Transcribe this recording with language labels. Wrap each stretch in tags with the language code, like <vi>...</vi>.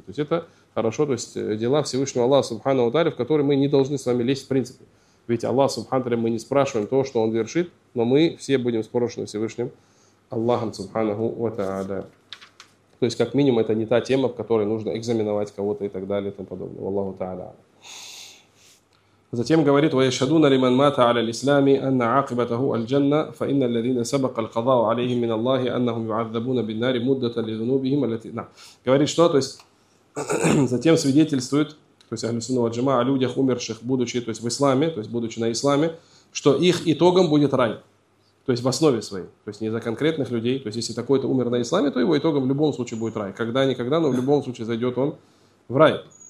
<ru>То есть это хорошо, то есть дела Всевышнего Аллаха Субхану ва Тааля, в которые мы не должны с вами лезть в принципе. Ведь Аллах Субхану ва Тааля, мы не спрашиваем то, что Он вершит, но мы все будем спрошены Всевышним Аллахом Субхану ва Тааля. То есть, как минимум, это не та тема, в которой нужно экзаменовать кого-то и так далее и тому подобное. Аллаху Тааля. Затем говорит:</ru> <ar>وَيَشْهَدُونَ لِمَنْ مَاتَ عَلَى الْإِسْلَامِ أَنَّ عَاقِبَتَهُ الْجَنَّةُ فَإِنَّ الَّذِينَ سَبَقَ الْقَضَاءُ عَلَيْهِمْ مِنَ اللَّهِ أَنَّهُمْ يُعَذَّبُونَ بِالنَّارِ مُدَّةً لِذُنُوبِهِمْ الَّتِي نَعْ.</ar> <ru>Говорит, что, то есть, затем свидетельствует, то есть Ахлю Сунна валь Джамаа, о людях, умерших, будучи, то есть в исламе, то есть будучи на исламе, что их итогом будет рай, то есть в основе своей, то есть не за конкретных людей, то есть если такой-то умер на исламе, то его итогом в любом случае будет рай, когда-никогда, но в любом случае зайдет он в рай.</ru>